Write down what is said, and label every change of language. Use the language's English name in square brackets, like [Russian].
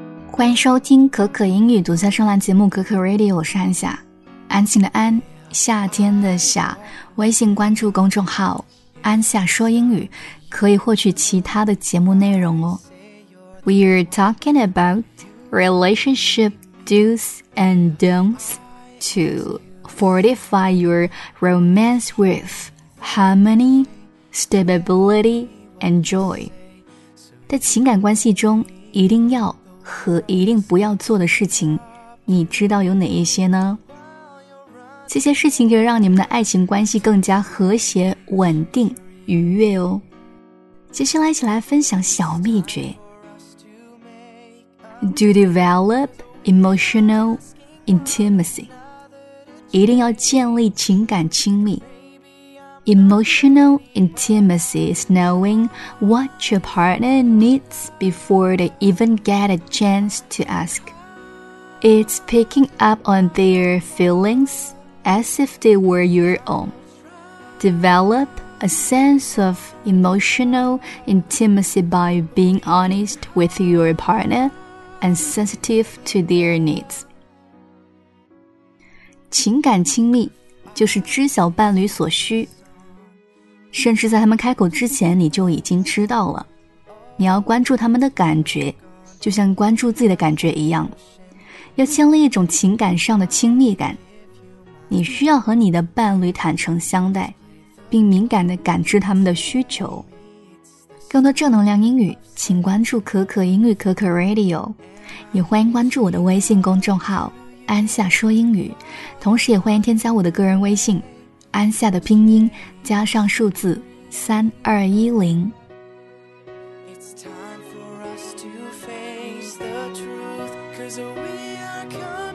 [Chinese] 欢迎收听可可英语独家专栏节目可可 Radio， 我是安夏，安静的安，夏天的夏。微信关注公众号安夏说英语，可以获取其他的节目内容哦。 [English] We're talking about relationship do's and don'ts to fortify your romance with harmony, stability and joy。 [Chinese] 在情感关系中一定要和一定不要做的事情，你知道有哪一些呢？这些事情可以让你们的爱情关系更加和谐、稳定、愉悦哦。接下来一起来分享小秘诀。 [English] To develop emotional intimacy， [Chinese] 一定要建立情感亲密。 [English] Emotional intimacy is knowing what your partner needs before they even get a chance to ask. It's picking up on their feelingsAs if they were your own. Develop a sense of emotional intimacy by being honest with your partner and sensitive to their needs. [Chinese] 情感亲密就是知晓伴侣所需，甚至在他们开口之前你就已经知道了。你要关注他们的感觉，就像关注自己的感觉一样，要建立一种情感上的亲密感。你需要和你的伴侣坦诚相待，并敏感地感知他们的需求。更多正能量英语，请关注可可英语可可 Radio， 也欢迎关注我的微信公众号安夏说英语，同时也欢迎添加我的个人微信安夏的拼音加上数字3210。 [English] It's time for us to face the truth, cause we are coming